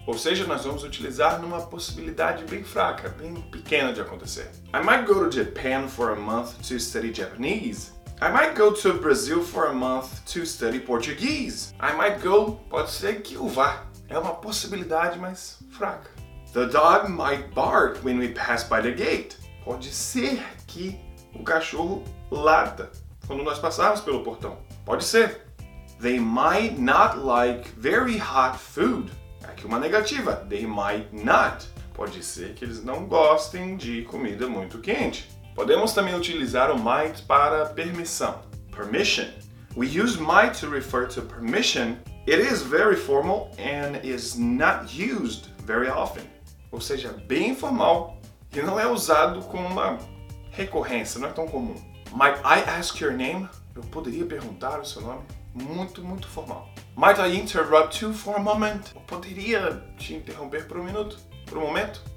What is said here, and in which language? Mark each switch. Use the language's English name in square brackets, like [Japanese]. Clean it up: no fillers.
[Portuguese] Ou seja, nós vamos utilizar numa possibilidade bem fraca, bem pequena de acontecer. [English] I might go to Japan for a month to study Japanese. I might go to Brazil for a month to study Portuguese. I might go, [Portuguese] pode ser que eu vá. É uma possibilidade, mas fraca. [English] The dog might bark when we pass by the gate. [Portuguese] Pode ser que o cachorro lata quando nós passarmos pelo portão. Pode ser. [English] They might not like very hot food. [Portuguese] Aqui uma negativa. [English] They might not. [Portuguese] Pode ser que eles não gostem de comida muito quente. Podemos também utilizar o might para permissão. Permission. [English] We use might to refer to permission. It is very formal and is not used very often. [Portuguese] Ou seja, bem formal e não é usado com uma recorrência, não é tão comum. [English] Might I ask your name? [Portuguese] Eu poderia perguntar o seu nome? Muito, muito formal. [English] Might I interrupt you for a moment? [Portuguese] Eu poderia te interromper por um minuto, por um momento?